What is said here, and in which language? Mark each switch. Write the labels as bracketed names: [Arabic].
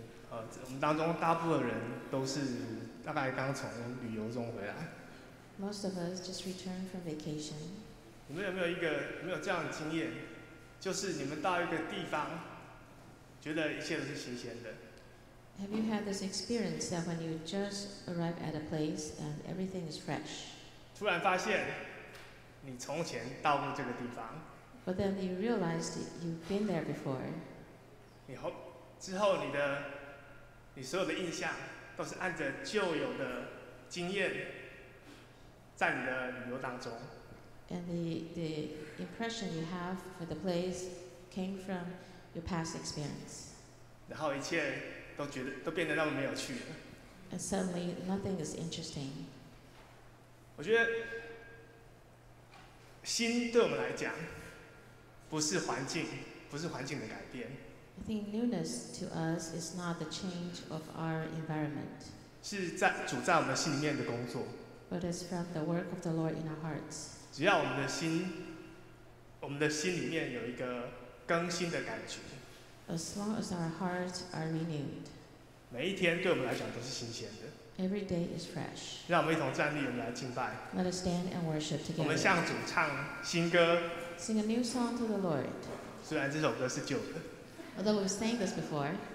[Chinese] 我们当中大部分人都是大概刚从旅游中回来。 [English] Most of us just returned from vacation. [Chinese] 你们有没有一个有没有这样的经验？就是你们到一个地方，觉得一切都是新鲜的。 [English] Have you had this experience that when you just arrive at a place and everything is fresh? [Chinese] 突然发现，你从前到过这个地方。 [English] But then you realized you've been there before. [Chinese] 你后之后你的你所有的印象都是按着旧有的经验，在你的旅游当中。 [English] And the impression you have for the place came from your past experience. [Chinese] 然后一切都觉得都变得那么没有趣了。 [English] And suddenly nothing is interesting. [Chinese] 我觉得心对我们来讲，不是环境，不是环境的改变。 [English] I think newness to us is not the change of our environment. [Chinese] 是在主在我们心里面的工作。 [English] But it's from the work of the Lord in our hearts. [Chinese] 只要我们的心，我们的心里面有一个更新的感觉。 [English] As long as our hearts are renewed. [Chinese] 每一天对我们来讲都是新鲜的。 [English] Every day is fresh. [Chinese] 让我们一同站立，我们来敬拜。 [English] Let us stand and worship together. [Chinese] 我们向主唱新歌。 [English] Sing a new song to the Lord. [Chinese] 虽然这首歌是旧的。 [English] Although we've sang this before.